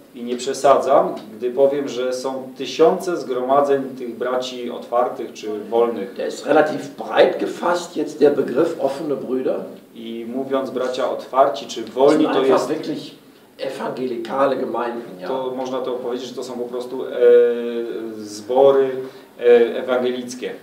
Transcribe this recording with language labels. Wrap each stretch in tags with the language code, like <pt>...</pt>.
<pl>I nie przesadzam, gdy powiem, że są tysiące zgromadzeń tych braci otwartych czy wolnych.</pl> <de>Der ist relativ breit gefasst jetzt der Begriff offene Brüder.</de> <pl>I mówiąc bracia otwarci czy wolni, to jest</pl> <de>wirklich evangelikale Gemeinden, ja.</de> <pl>To można to powiedzieć, że to są po prostu zbory ewangelickie.</pl>